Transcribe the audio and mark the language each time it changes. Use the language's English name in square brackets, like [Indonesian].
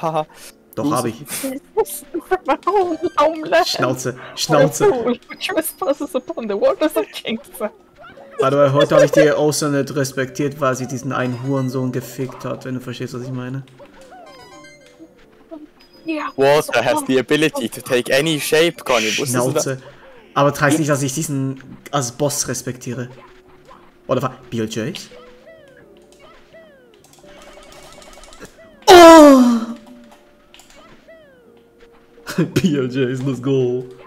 [German] Haha. Doch, hab ich. Warum lässt Schnauze. [English] Trespasses upon the waters of Kings. [German] Warte mal, heute habe ich die Ocean nicht respektiert, weil sie diesen einen Hurensohn gefickt hat, wenn du verstehst, was ich meine. Yeah. [English] Water has the ability to take any shape, Conny. [German] Schnauze. Aber das heißt nicht, dass ich diesen als Boss respektiere. Oder was? BLJ? Oh! [English] BLJs, let's go!